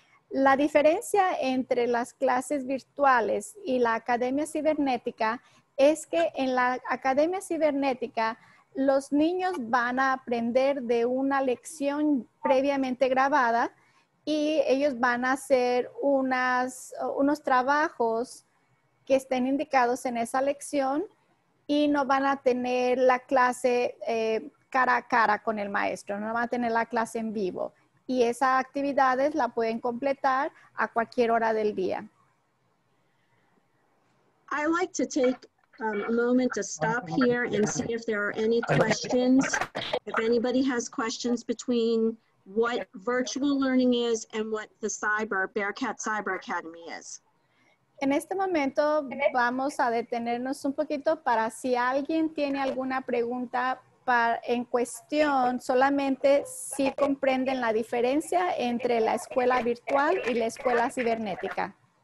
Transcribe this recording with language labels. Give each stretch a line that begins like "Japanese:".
Spanish: La diferencia entre las clases virtuales y la Academia Cibernética es que en la Academia Cibernética, los niños van a aprender de una lección previamente grabada y ellos van a hacer unos trabajos que estén indicados en esa lección y no van a tener la clase cara a cara con el maestro, no van a tener la clase en vivo. Y esas actividades la pueden completar a cualquier hora del día.
English: I like to take a moment to stop here and see if there are any questions. If anybody has questions between what virtual learning is and what the Bearcat Cyber Academy is.
Spanish: En este momento vamos a detenernos un poquito para si alguien tiene alguna pregunta en cuestión, solamente si comprenden la diferencia entre la escuela virtual y la escuela cibernética.